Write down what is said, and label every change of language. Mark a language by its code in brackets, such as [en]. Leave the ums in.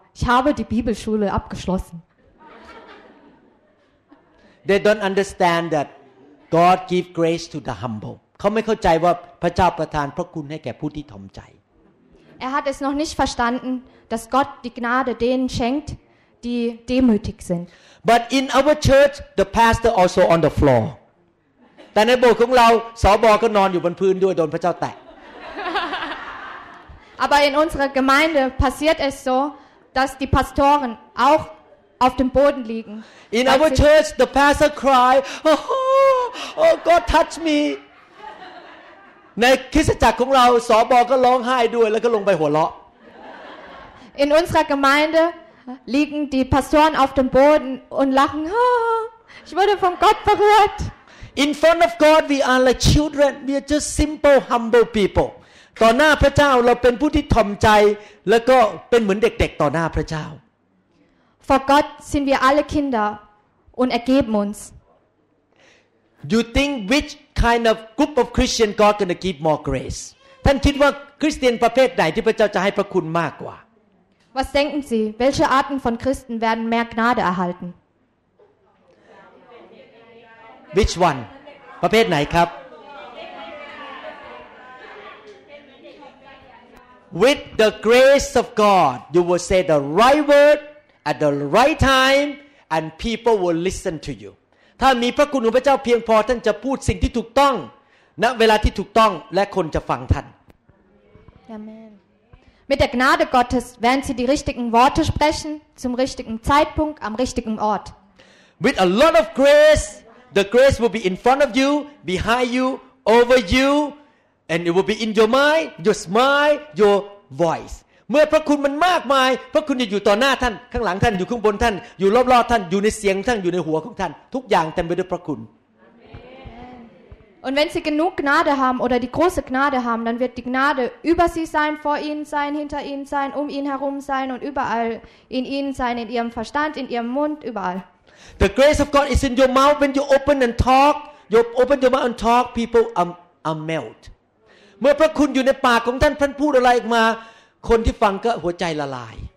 [de] Ich habe die Bibelschule abgeschlossen. [en] They don't understand that God give grace to the humble. [th] เขาไม่เข้าใจว่าพระเจ้าประทาน พระคุณให้แก่ผู้ที่ถ่อมใจ [de] Er hat es noch nicht verstanden, dass Gott die Gnade denen schenkt, die demütig sind. [en] But in our church, the pastor also on the floor. [th] แต่ในโบสถ์ของเราสบก็นอนอยู่บนพื้นด้วยโดนพระเจ้าแตะ [de] Aber in unserer Gemeinde passiert es so, dass die Pastoren auch auf dem Boden liegen. [en] In our church, the pastor cry, oh, oh, God, touch me. [th] ในคริสตจักรของเราสอบอก็ร้องไห้ด้วยแล้วก็ลงไปหัวเราะ [de] In unserer Gemeinde liegen die Pastoren auf dem Boden und lachen. ich wurde von Gott berührt. [en] In front of God, we are like children. We are just simple, humble people. [th] ต่อหน้าพระเจ้าเราเป็นผู้ที่ถ่อมใจแล้วก็เป็นเหมือนเด็ก ๆต่อหน้าพระเจ้า [de] For God sind wir alle Kinder und ergeben uns [en] You think which kind of group of Christian God gonna give more grace [th] ท่านคิดว่าคริสเตียนประเภทไหนที่พระเจ้าจะให้พระคุณมากกว่า [de] Was denken Sie welche Arten von Christen werden mehr Gnade erhalten [en] Which one [th] ประเภทไหนครับ [en] with the grace of God you will say the right word at the right time and people will listen to you [th] ถ้ามีพระคุณของพระเจ้าเพียงพอท่านจะพูดสิ่งที่ถูกต้องณเวลาที่ถูกต้องและคนจะฟังท่าน [en] Amen. [de] Mit der Gnade Gottes werden Sie die richtigen Worte sprechen zum richtigen Zeitpunkt am richtigen Ort. [en] With a lot of grace, the grace will be in front of you, behind you, over you, And it will be in your mind, your smile, your voice. [th] เมื่อพระคุณมันมากมายพระคุณจะอยู่ต่อหน้าท่านข้างหลังท่านอยู่ข้างบนท่านอยู่รอบๆท่านอยู่ในเสียงท่านอยู่ในหัวของท่านทุกอย่างเต็มไปด้วยพระคุณ [de] Und wenn Sie genug Gnade haben oder die große Gnade haben, dann wird die Gnade über Sie sein, vor Ihnen sein, hinter Ihnen sein, um Ihnen herum sein und überall in Ihnen sein, in Ihrem Verstand, in Ihrem Mund, überall. [en] The grace of God is in your mouth when you open and talk. You open your mouth and talk, people are, are melt. [th] มื่อพระคุณอยู่ในปากของท่านท่านพูดอะไรออกมาคนที่ฟังก็หัวใจละลาย